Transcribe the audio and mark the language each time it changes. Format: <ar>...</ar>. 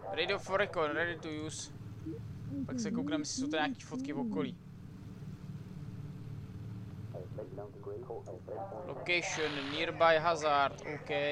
<en>Radio for recon, ready to use.</en> <cs>Pak se koukneme, jestli jsou to nějaký fotky v okolí.</cs> <en>Location nearby hazard, OK.</en>